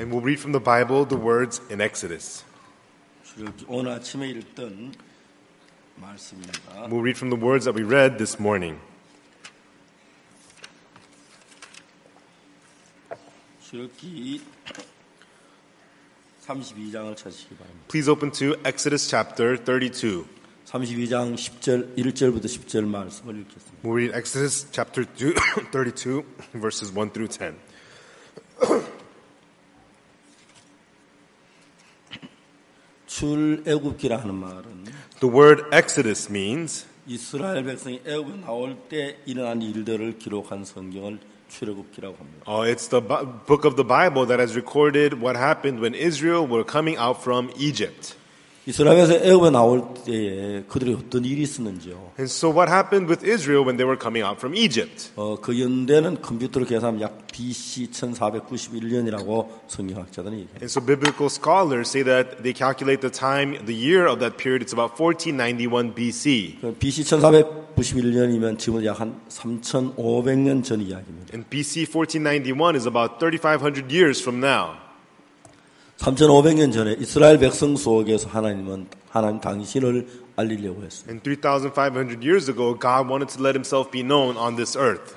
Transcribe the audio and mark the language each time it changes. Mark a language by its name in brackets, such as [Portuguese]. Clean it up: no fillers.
[English] And we'll read from the Bible the words in Exodus. [Korean] 오늘 아침에 읽던 말씀입니다. [English] We'll read from the words that we read this morning. [Korean] 출애굽기 32장을 찾으시기 바랍니다. [English] Please open to Exodus chapter 32. [Korean] 32장 10절 1절부터 10절 말씀을 읽겠습니다. [English] We'll read Exodus chapter 32 verses 1 through 10. [Korean] 출애굽기라는 말은 [English] The word Exodus means [Korean] 이스라엘 백성이 애굽에 나올 때 일어난 일들을 기록한 성경을 출애굽기라고 합니다. [English] It's the book of the Bible that has recorded what happened when Israel were coming out from Egypt. [Korean] 이스라엘에서 애굽에 나올 때에 그들이 어떤 일이 있었는지요. [English] And so what happened with Israel when they were coming out from Egypt? [Korean] 그 연대는 컴퓨터로 계산하면 약 BC 1491년이라고 성경학자들은 얘기해요. [English] And so biblical scholars say that they calculate the time, the year of that period, it's about 1491 BC. [Korean] BC 1491년이면 지금 약 한 3500년 전 이야기입니다. [English] And BC 1491 is about 3500 years from now. [Korean] 3500년 전에 이스라엘 백성 속에서 하나님 당신을 알리려고 했습니다. [English] And 3500 years ago God wanted to let himself be known on this earth.